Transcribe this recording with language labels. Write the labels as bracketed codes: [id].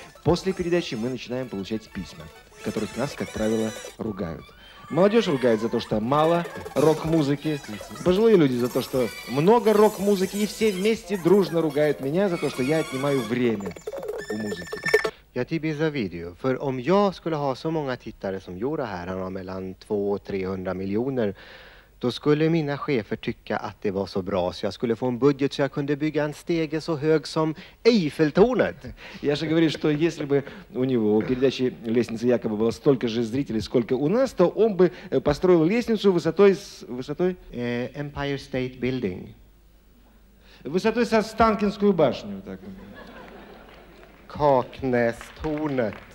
[ru] После передачи мы начинаем получать письма, в которых нас, как правило, ругают. Молодежь ругает за то, что мало рок-музыки, пожилые люди за то, что много рок-музыки, и все вместе дружно ругают меня за то, что я отнимаю время у музыки. Я тебе завидую, [sv] for om jag skulle ha så många tittare som Jura här, han har mellan 200-300 miljoner, då skulle mina chefer tycka att det var så bra så jag skulle få en budget så jag kunde bygga en stege så hög som Eiffeltornet. Jag ska [ru] говорить, что если бы у него у передачи «Лестница Якоба» было столько же зрителей, сколько у нас, то он бы построил лестницу высотой [en] Empire State Building. [ru] Высотой со Останкинскую башню, так. Кокнестунет.